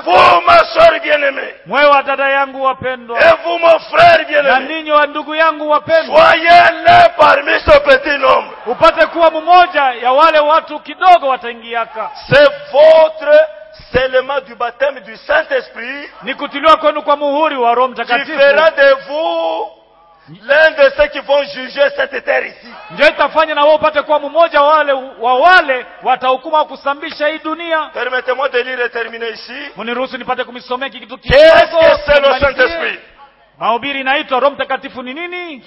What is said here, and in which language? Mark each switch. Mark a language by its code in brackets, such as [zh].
[fr] Vous ma soeur bien-aimée. [sw] Mwewe wa dada yangu wapendwa. [fr] Et vous mon frère bien-aimé. [sw] Na ninyi wa ndugu yangu wapendwa. [fr] Soyez les parmi ce petit nombre. [sw] Upate kuwa mmoja ya wale watu kidogo wataingiaka. [fr] C'est votre scellement du baptême du Saint-Esprit. [sw] Ni kutiliwa kwenu kwa muhuri wa Roho Mtakatifu. [fr] Différent de vous. L'un de ceux qui vont juger cette terre ici. [sw] Ndio itafanya na wao pate kuwa mmoja wale watahukuma kusambisha hii dunia. [fr] Permettez-moi de lire terminer ici. [sw] Muniruhusu nipate kumisomea kitu kidogo. [fr] Qu'est-ce que c'est le Saint-Esprit? [sw] Mahubiri inaitwa Roho Mtakatifu ni nini?